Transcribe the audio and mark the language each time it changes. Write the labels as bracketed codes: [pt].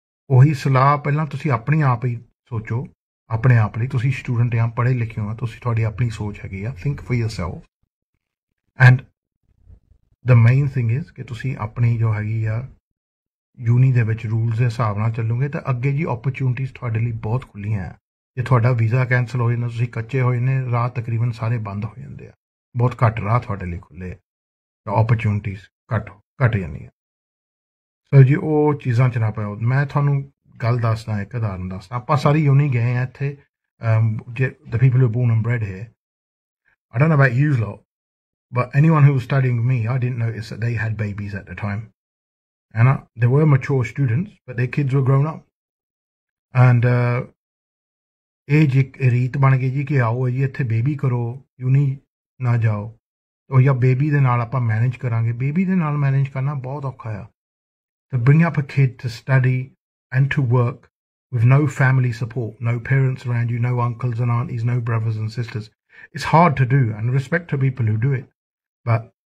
[pa] ਉਹੀ ਸਲਾਹ ਪਹਿਲਾਂ ਤੁਸੀਂ ਆਪਣੇ ਆਪ ਹੀ ਸੋਚੋ ਆਪਣੇ ਆਪ ਲਈ ਤੁਸੀਂ ਸਟੂਡੈਂਟ ਆ ਪੜ੍ਹੇ ਲਿਖੇ ਹੋ ਤੁਸੀਂ ਤੁਹਾਡੀ ਆਪਣੀ ਸੋਚ ਹੈਗੀ ਆ [en] think for yourself and the main thing is [pa] ਕਿ ਤੁਸੀਂ ਆਪਣੀ ਜੋ ਹੈਗੀ ਆ ਯੂਨੀ ਦੇ ਵਿੱਚ ਰੂਲਸ ਦੇ ਹਿਸਾਬ ਨਾਲ ਚੱਲੂਗੇ ਤਾਂ ਅੱਗੇ ਜੀ ਓਪਰਚੁਨਿਟੀਜ਼ ਤੁਹਾਡੇ ਲਈ ਬਹੁਤ ਖੁੱਲੀਆਂ ਆ ਜੇ ਤੁਹਾਡਾ ਵੀਜ਼ਾ ਕੈਂਸਲ ਹੋ ਜਾਂਦਾ ਤੁਸੀਂ ਕੱਚੇ ਹੋਏ ਨੇ ਰਾਹ ਤਕਰੀਬਨ ਸਾਰੇ ਬੰਦ ਹੋ ਜਾਂਦੇ ਆ ਬਹੁਤ ਘੱਟ ਰਾਹ ਤੁਹਾਡੇ ਲਈ ਖੁੱਲ੍ਹੇ ਆ ਓਪਰਚੁਨਿਟੀਜ਼ ਘੱਟ ਜਾਂਦੀਆਂ ਸਰ ਜੀ ਉਹ ਚੀਜ਼ਾਂ 'ਚ ਨਾ ਪਾਓ ਮੈਂ ਤੁਹਾਨੂੰ ਗੱਲ ਦੱਸਦਾ ਇੱਕ ਉਦਾਹਰਨ ਦੱਸਦਾ ਆਪਾਂ ਸਾਰੀ ਯੂਨੀ ਗਏ ਹਾਂ ਇੱਥੇ ਜੇ [en] The people who born and bred here I don't know about you lot But anyone who was studying with me, I didn't notice that they had babies at the time. And they were mature students, but their kids were grown up. And [pa] ਇਹ ਜੇ ਰੀਤ ਬਣ ਗਈ ਜੀ ਕਿ ਆਓ ਜੀ ਇੱਥੇ ਬੇਬੀ ਕਰੋ ਯੂਨੀ ਨਾ ਜਾਓ ਤਾਂ ਜਾਂ ਬੇਬੀ ਦੇ ਨਾਲ ਆਪਾਂ ਮੈਨੇਜ ਕਰਾਂਗੇ ਬੇਬੀ ਦੇ ਨਾਲ ਮੈਨੇਜ ਕਰਨਾ ਬਹੁਤ ਔਖਾ ਆ ਤਾਂ [en] bring up a kid to study and to work with no family support no parents around you know uncles and aunties no brothers and sisters it's hard to do and respect to people who do it but